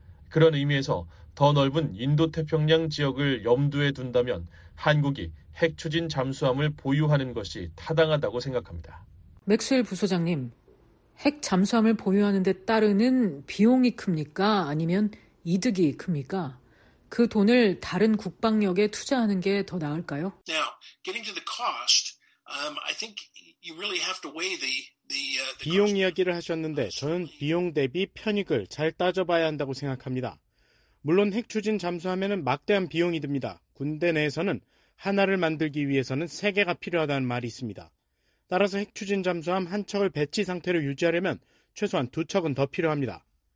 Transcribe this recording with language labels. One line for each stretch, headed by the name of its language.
Korean: 그런 의미에서 더 넓은 인도태평양 지역을 염두에 둔다면 한국이 핵 추진 잠수함을 보유하는 것이 타당하다고 생각합니다. 맥스웰 부소장님, 핵 잠수함을 보유하는 데 따르는 비용이 큽니까? 아니면 이득이 큽니까? 그 돈을 다른 국방력에 투자하는 게 더 나을까요?
English: Now, getting to the cost, I think you really have to weigh the
Korean: 비용 이야기를 하셨는데 저는 비용 대비 편익을 잘 따져봐야 한다고 생각합니다. 물론 핵 추진 잠수함에는 막대한 비용이 듭니다. 군대 내에서는 하나를 만들기 위해서는 세 개가 필요하다는 말이 있습니다. 따라서 핵 추진 잠수함 한 척을 배치 상태로 유지하려면 최소한 두 척은 더 필요합니다.